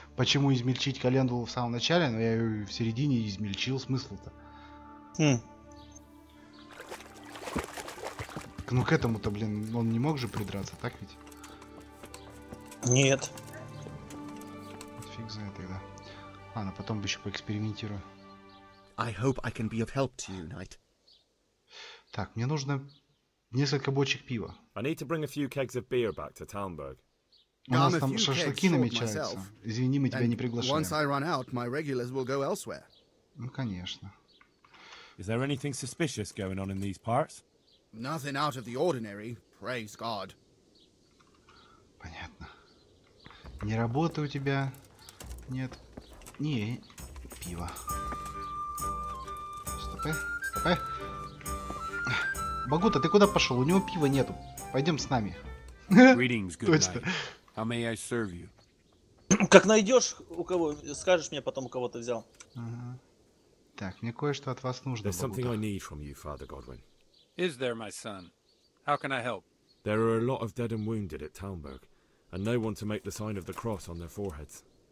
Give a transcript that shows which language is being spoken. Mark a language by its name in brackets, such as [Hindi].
[Russian] Почему измельчить календулу в самом начале, но я ее в середине измельчил, смысл-то? Ну к этому-то, блин, он не мог же придраться, так ведь? Нет. Фиг знает тогда. Ладно, потом еще поэкспериментирую. [English] I hope I can be of help to you, Knight. [Russian] Так, мне нужно... несколько бочек пива. [English] I need to bring a few kegs of beer back to Talmberg. [Russian] У нас там шашлыки намечаются. Извини, мы тебя не приглашаем. [English] Once I run out, my regulars will go elsewhere. [Russian] Ну, конечно. [English] Is there anything suspicious going on in these parts? Nothing out of the ordinary, praise God. [Russian] Понятно. Не работа у тебя? Нет. Не, пиво. Стопэ, стопэ. Багута, ты куда пошел? У него пива нету. Пойдем с нами. [English] Greetings, good night. How may I serve you? [Russian] Как найдешь, у кого скажешь мне потом, у кого ты взял. Ага. Так, мне кое-что от вас нужно. [English] There's something I need from you, Father Godwin. Is there, my son? How can I help? There are a lot of dead and wounded at Talmberg, and no one to make the sign of the cross on their foreheads.